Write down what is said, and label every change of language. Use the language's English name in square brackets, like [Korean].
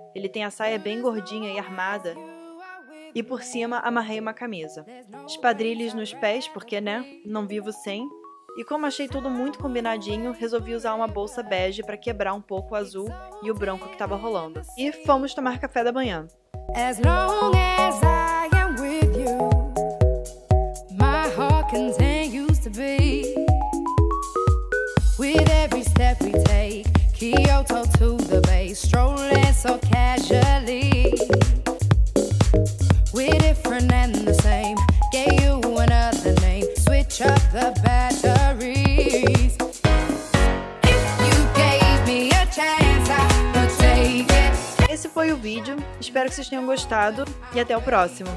[Portuguese] Ele tem a saia bem gordinha e armada. E por cima, amarrei uma camisa. Espadrilhos nos pés, porque, né, não vivo sem. E como achei tudo muito combinadinho, resolvi usar uma bolsa bege para quebrar um pouco o azul e o branco que tava rolando. E fomos tomar café da manhã. [English] As long as I am with you, my heart continues to be. With every step we take, Kyoto to the bay, strolling so casually. We're different and the same, gave you another name, switch up the batteries. If you gave me a chance, I would take it. [Portuguese] Esse foi o vídeo, espero que vocês tenham gostado e até o próximo.